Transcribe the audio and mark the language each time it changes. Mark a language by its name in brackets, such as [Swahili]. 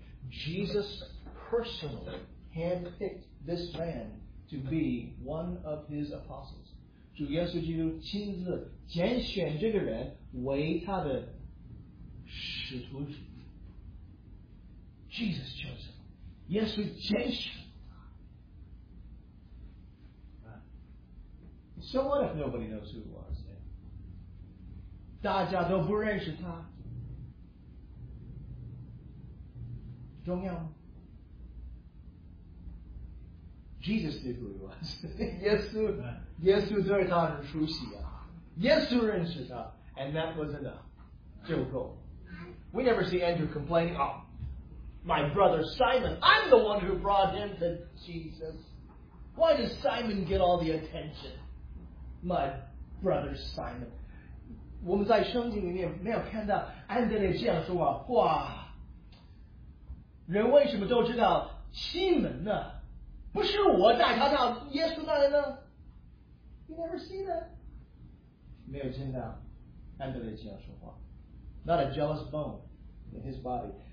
[English] Jesus personally handpicked this man to be one of his apostles. [Chinese] 主耶稣基督亲自拣选这个人为他的使徒。 [English] Jesus chose him. [Chinese] 耶稣拣选。 [English] So what if nobody knows who it was? [Chinese] 大家都不认识他。重要吗? [English] Jesus knew who he was. [Chinese] 耶稣对他很熟悉啊。耶稣认识他, [English] and that was enough. [Chinese] 就够。 [English] We never see Andrew complaining, oh, my brother Simon, I'm the one who brought him to Jesus. Why does Simon get all the attention? My brother Simon. [Chinese] 我们在圣经里面没有看到安德烈这样说话, 人为什么都知道西门呢? 不是我带他到耶稣那里呢? [English] You never see that. [Chinese] 没有见到安德烈这样说话, [English] not a jealous bone in his body.